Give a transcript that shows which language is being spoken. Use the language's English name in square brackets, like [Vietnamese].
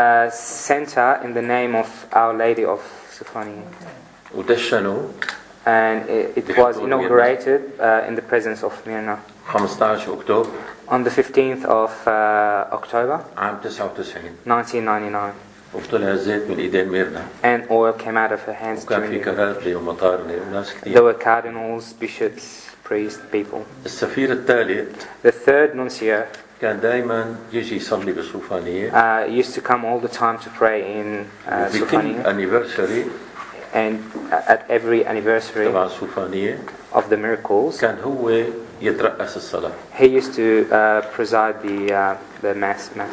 [English] Center in the name of Our Lady of Sufani. [Arabic] ودشنوا. [English] And it was inaugurated in the presence of Mirna. [Arabic] 15 أكتوبر. [English] On the 15th of October. [Arabic] عام 99. [English] 1999. [Arabic] وطلع زيت من إيدين ميرنا. [English] And oil came out of her hands. [Arabic] وكان في كهربائي ومطارني وناس كتير. [English] There were cardinals, bishops, priests, people. [Arabic] السفير الثالث. [English] The third nuncio. [Arabic] كان دائما يجي يصلي بالصوفانية. [English] Used to come all the time to pray in Sufani. [Arabic] بكل anniversary. [English] And at every anniversary. [Arabic] تبع الصوفانية. [English] Of the miracles. [Arabic] كان هو يترأس الصلاة. [English] He used to preside the mass.